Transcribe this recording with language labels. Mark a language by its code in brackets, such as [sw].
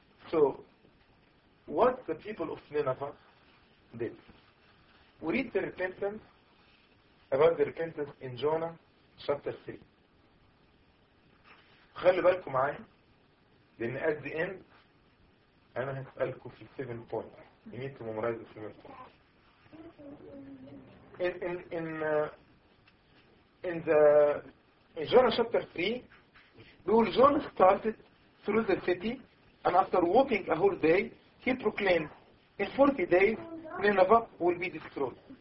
[en] So, what the people of Nineveh did? We read the repentance, about the repentance in Jonah chapter 3. [ar] خلي بالكم معايا, [en] then at the end, [ar] أنا هسألكم في [en] 7 points. You need to memorize the 7 points. In Jonah chapter 3, Jonah started through the city, and after walking a whole day, he proclaimed, in 40 days, Nineveh will be destroyed.